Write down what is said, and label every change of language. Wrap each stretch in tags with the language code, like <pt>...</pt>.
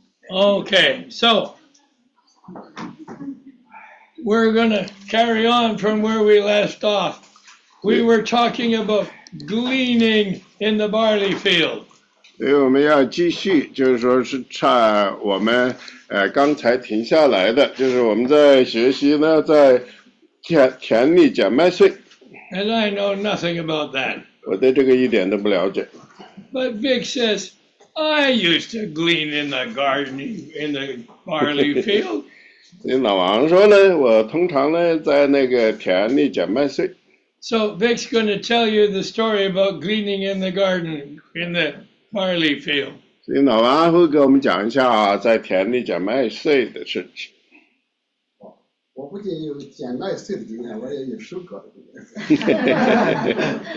<en>Okay, so we're going to carry on from where we left off. We were talking about gleaning in the barley field.</en> <zh>对，我们要继续，就是说是差我们刚才停下来的，就是我们在学习呢，在田里捡麦穗。</zh> <en>And I know nothing about that.</en> <zh>我对这个一点都不了解。</zh> <en>But Vic says, I used to glean in the garden, in the barley field.</en> <zh>老王说呢，我通常呢，在那个田里捡麦穗。</zh> <en>So Vic's going to tell you the story about gleaning in the garden, in the barley field.</en> <zh>所以老王会给我们讲一下啊，在田里捡麦穗的事情。我不仅有捡麦穗的经验，我也有收割的经验。</zh>